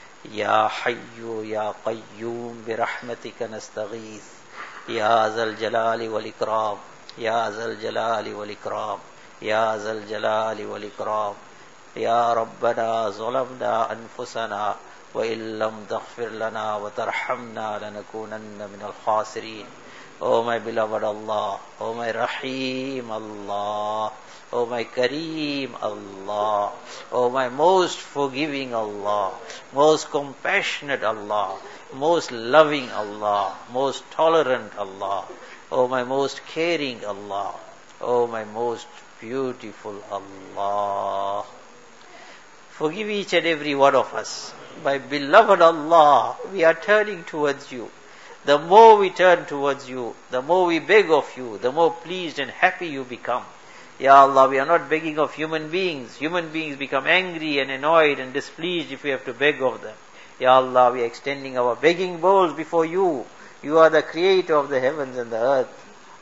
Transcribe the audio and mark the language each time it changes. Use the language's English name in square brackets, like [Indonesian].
[Arabic] يا حي يا قيوم برحمتك نستغيث يا ذا الجلال والإكرام يا ذا الجلال والإكرام يا ذا الجلال والإكرام يا ربنا ظلمنا أنفسنا وإن لم تغفر لنا وترحمنا لنكونن من الخاسرين. [English] O my beloved اللہ, O my رحیم اللہ, او مائی کریم اللہ, او مائی موسٹ فورگیونگ اللہ, موسٹ کمپیشنٹ اللہ, موسٹ لونگ اللہ, موسٹ ٹالرنٹ اللہ, او مائی موسٹ کیئرنگ اللہ, او مائی موسٹ بیوٹیفل اللہ. Forgive each and every one of us. My beloved اللہ, we are turning towards you. The more we turn towards you, the more we beg of you, the more pleased and happy you become. Ya Allah, we are not begging of human beings. Human beings become angry and annoyed and displeased if we have to beg of them. Ya Allah, we are extending our begging bowls before you. You are the creator of the heavens and the earth.